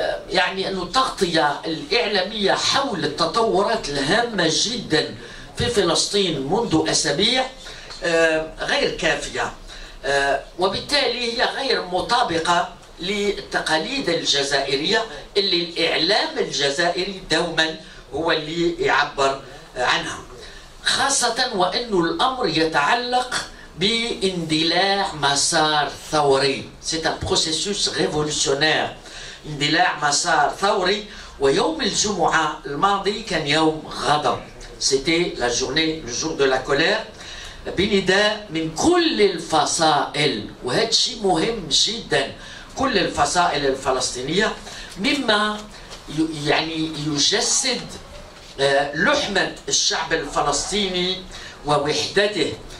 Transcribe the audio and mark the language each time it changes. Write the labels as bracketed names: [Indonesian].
[Arabic] يعني أنه التغطية الإعلامية حول التطورات الهامة جدا في فلسطين منذ أسابيع غير كافية، وبالتالي هي غير مطابقة للتقاليد الجزائرية اللي الإعلام الجزائري دوما هو اللي يعبر عنها، خاصة وأنه الأمر يتعلق باندلاع مسار ثوري. [French] C'est un processus révolutionnaire. [Arabic] اندلاع مسار ثوري، ويوم الجمعة الماضي كان يوم غضب. [French] C'était la journée, le jour de la colère. [Arabic] بنداء من كل الفصائل، وهذا شيء مهم جدا، كل الفصائل الفلسطينية، مما يعني يجسد لحمة الشعب الفلسطيني ووحدته